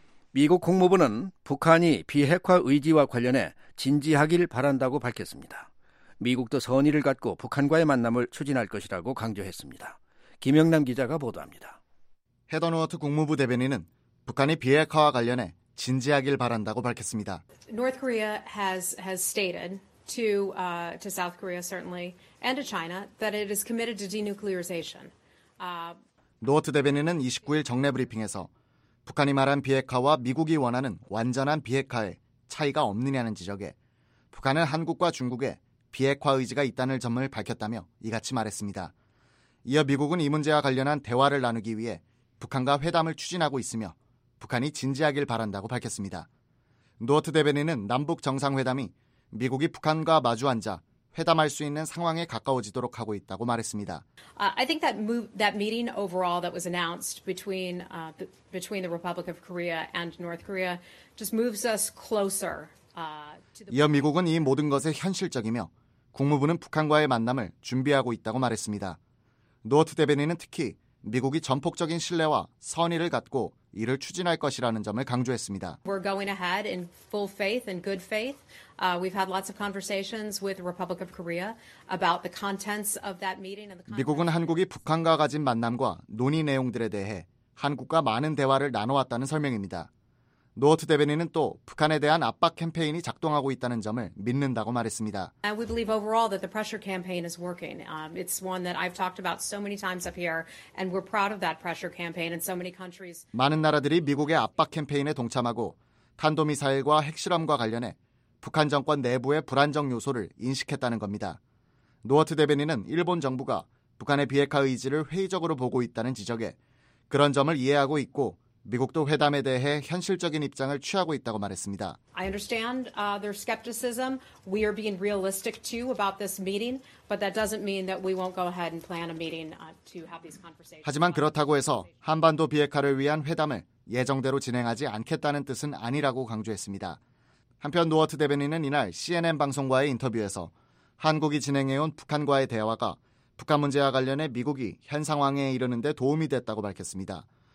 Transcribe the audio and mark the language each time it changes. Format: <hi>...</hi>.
<ko>미국 국무부는 북한이 비핵화 의지와 관련해 진지하길 바란다고 밝혔습니다. 미국도 선의를 갖고 북한과의 만남을 추진할 것이라고 강조했습니다. 김영남 기자가 보도합니다. 헤더 노어트 국무부 대변인은 북한이 비핵화와 관련해 진지하길 바란다고 밝혔습니다.</ko> <en>North Korea has stated to South Korea certainly and to China that it is committed to denuclearization.</en> <ko>노어트 대변인은 29일 정례 브리핑에서 북한이 말한 비핵화와 미국이 원하는 완전한 비핵화에 차이가 없느냐는 지적에 북한은 한국과 중국에 비핵화 의지가 있다는 점을 밝혔다며 이같이 말했습니다. 이어 미국은 이 문제와 관련한 대화를 나누기 위해 북한과 회담을 추진하고 있으며 북한이 진지하길 바란다고 밝혔습니다. 노어트 대변인은 남북 정상회담이 미국이 북한과 마주 앉아 회담할 수 있는 상황에 가까워지도록 하고 있다고 말했습니다.</ko> <en>I think that meeting overall that was announced between the Republic of Korea and North Korea just moves us closer.</en> <ko>이어 미국은 이 모든 것에 현실적이며 국무부는 북한과의 만남을 준비하고 있다고 말했습니다. 노어트 대변인은 특히 미국이 전폭적인 신뢰와 선의를 갖고 이를 추진할 것이라는 점을 강조했습니다.</ko> <en>We're going ahead in full faith and good faith. We've had lots of conversations with the Republic of Korea about the contents of that meeting.</en> <ko>미국은 한국이 북한과 가진 만남과 논의 내용들에 대해 한국과 많은 대화를 나눠왔다는 설명입니다. 노어트 대변인은 또 북한에 대한 압박 캠페인이 작동하고 있다는 점을 믿는다고 말했습니다.</ko> <en>And we believe overall that the pressure campaign is working. It's one that I've talked about so many times up here, and we're proud of that pressure campaign in so many countries.</en> <ko>많은 나라들이 미국의 압박 캠페인에 동참하고 탄도 미사일과 핵실험과 관련해 북한 정권 내부의 불안정 요소를 인식했다는 겁니다. 노어트 대변인은 일본 정부가 북한의 비핵화 의지를 회의적으로 보고 있다는 지적에 그런 점을 이해하고 있고. 미국도 회담에 대해 현실적인 입장을 취하고 있다고 말했습니다.</ko> <en>I understand their skepticism. We are being realistic too about this meeting, but that doesn't mean that we won't go ahead and plan a meeting to have these conversations.</en> <ko>하지만 그렇다고 해서 한반도 비핵화를 위한 회담을 예정대로 진행하지 않겠다는 뜻은 아니라고 강조했습니다. 한편 노어트 대변인은 이날 CNN 방송과의 인터뷰에서 한국이 진행해온 북한과의 대화가 북한 문제와 관련해 미국이 현 상황에 이르는 데 도움이 됐다고 밝혔습니다.</ko>